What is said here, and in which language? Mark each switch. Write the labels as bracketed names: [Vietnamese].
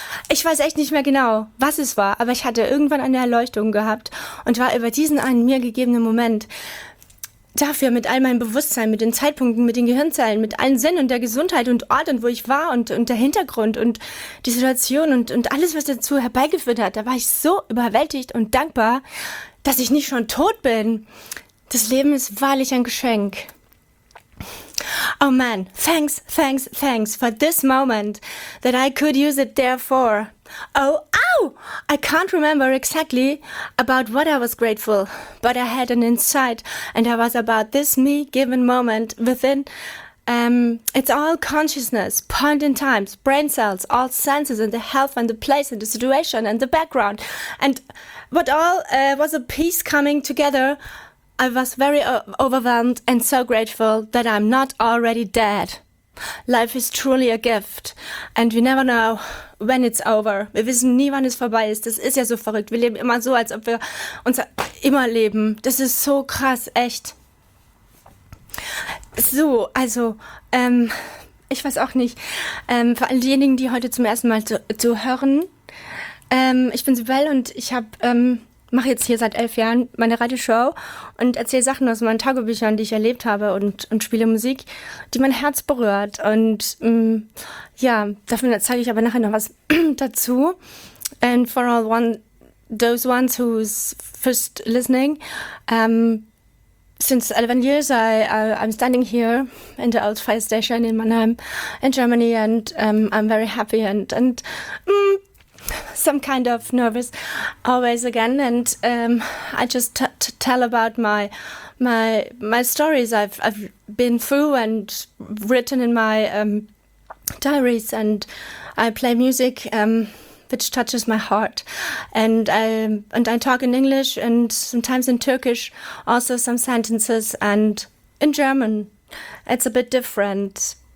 [German] Ich weiß echt nicht mehr genau, was es war, aber ich hatte irgendwann eine Erleuchtung gehabt und war über diesen einen mir gegebenen Moment dafür mit all meinem Bewusstsein, mit den Zeitpunkten, mit den Gehirnzellen, mit allen Sinnen und der Gesundheit und Ort und wo ich war und der Hintergrund und die Situation und alles, was dazu herbeigeführt hat. Da war ich so überwältigt und dankbar, dass ich nicht schon tot bin. Das Leben ist wahrlich ein Geschenk. [English] Oh man, thanks, thanks, thanks for this moment that I could use it there for. Oh, ow! I can't remember exactly about what I was grateful, but I had an insight and I was about this me given moment within. It's all consciousness, point in time, brain cells, all senses and the health and the place and the situation and the background. And what all was a piece coming together. I was very overwhelmed and so grateful that I'm not already dead. Life is truly a gift and we never know when it's over. [German] Wir wissen nie, wann es vorbei ist. Das ist ja so verrückt. Wir leben immer so, als ob wir uns immer leben. Das ist so krass, echt. So, also, ich weiß auch nicht. Für all diejenigen, die heute zum ersten Mal zu hören, ich bin Sibel und ich habe... mache jetzt hier seit 11 Jahren meine Radioshow und erzähle Sachen aus meinen Tagebüchern, die ich erlebt habe und spiele Musik, die mein Herz berührt. Und ja, dafür zeige ich aber nachher noch was dazu. [English] And for all one, those ones who's first listening, since 11 years I'm standing here in the old fire station in Mannheim in Germany and I'm very happy and some kind of nervous always again and I just tell about my stories I've been through and written in my diaries and I play music which touches my heart and I talk in English and sometimes in Turkish also some sentences and in German it's a bit different.